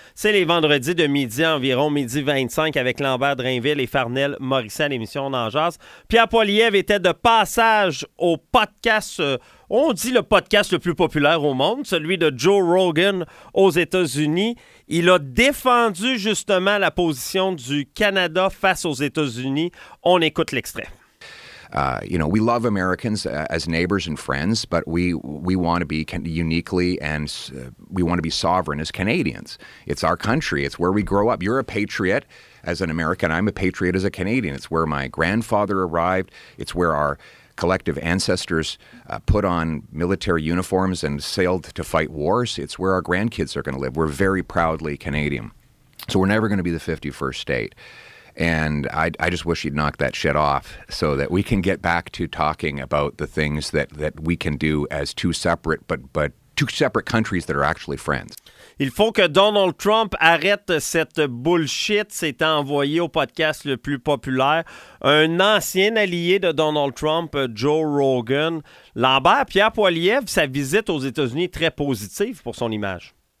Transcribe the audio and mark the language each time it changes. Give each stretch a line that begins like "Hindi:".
French: C'est les vendredis de midi environ, midi 25, avec Lambert Drainville et Farnell Morissette à l'émission On en jase. Pierre Poilievre était de passage au podcast, on dit le podcast le plus populaire au monde, celui de Joe Rogan aux États-Unis. Il a défendu justement la position du Canada face aux États-Unis. On écoute l'extrait.
English: You know, we love Americans as neighbors and friends, but we want to be uniquely and we want to be sovereign as Canadians. It's our country. It's where we grow up. You're a patriot as an American. I'm a patriot as a Canadian. It's where my grandfather arrived. It's where our collective ancestors put on military uniforms and sailed to fight wars. It's where our grandkids are going to live. We're very proudly Canadian. So we're never going to be the 51st state. And I just wish you'd knock that shit off so that we can get back to talking about the things that we can do as two separate but two separate countries that are actually friends.
French: Il faut que Donald Trump arrête cette bullshit. C'est envoyé au podcast le plus populaire. Un ancien allié de Donald Trump, Joe Rogan. Lambert, Pierre Poilievre, sa visite aux États-Unis est très positive pour son image.